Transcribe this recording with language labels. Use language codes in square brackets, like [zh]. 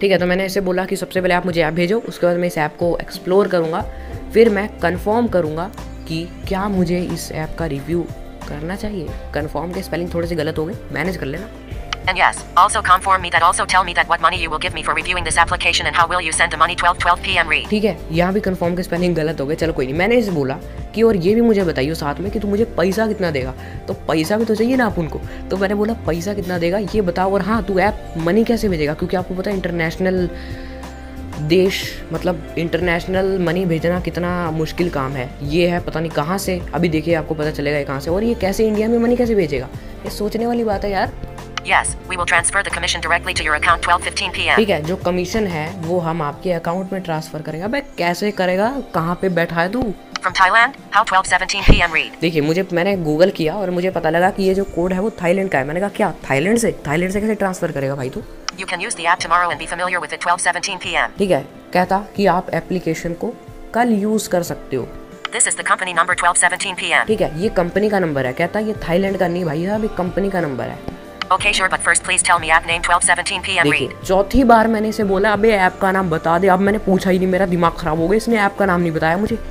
[hi] ठीक है, तो मैंने इसे बोला कि सबसे पहले आप मुझे ऐप भेजो, उसके बाद मैं इस ऐप को एक्सप्लोर करूंगा, फिर मैं कंफर्म करूंगा कि क्या मुझे इस ऐप का रिव्यू करना चाहिए। कंफर्म के स्पेलिंग थोड़े से गलत हो गए, मैनेज कर लेना। [en] And yes, also confirm me that also tell me that what money you will give me for reviewing this application and how will you send the money 12:12 PM read. [hi] ठीक है, यहाँ भी confirm के spelling गलत हो गए, चलो कोई नहीं। मैंने इसे बोला कि और ये भी मुझे बताइयो साथ में कि तू मुझे पैसा कितना देगा, तो पैसा भी तो चाहिए ना आप उनको, तो मैंने बोला पैसा कितना देगा ये बताओ, और हाँ तू ऐप मनी कैसे भेजेगा, क्योंकि आपको पता है इंटरनेशनल देश मतलब इंटरनेशनल मनी भेजना कितना मुश्किल काम है, ये है पता नहीं कहाँ से, अभी देखिए आपको पता चलेगा ये कहाँ से, और ये कैसे इंडिया में मनी कैसे भेजेगा, ये सोचने वाली बात है यार। [en] Yes, we will transfer the commission directly to your account 12:15 PM. [hi] ठीक है, जो कमीशन है वो हम आपके अकाउंट में ट्रांसफर करेगा। अबे कैसे करेगा, कहाँ पे बैठा दूँ? [en] From Thailand, how 12:17 PM read. [hi] देखिए मुझे मैंने गूगल किया और मुझे पता लगा कि ये जो कोड है वो थाईलैंड का है। मैंने कहा क्या थाईलैंड से कैसे ट्रांसफर करेगा भाई तू? [en] You can use the app tomorrow and be familiar with it 12:17 PM. [hi] ठीक है, कहता कि आप एप्लीकेशन को कल यूज कर सकते हो। [en] This is the company number 12:17 PM. [hi] ठीक है, ये कंपनी का नंबर है, कहता ये थाईलैंड का नहीं भाई, अभी कंपनी का नंबर है। [en] Okay, sure, but first please tell me app name 12:17 PM read. [hi] चौथी बार मैंने इसे बोला अबे ऐप का नाम बता दे, अब मैंने पूछा ही नहीं, मेरा दिमाग खराब हो गया, इसने ऐप का नाम नहीं बताया मुझे।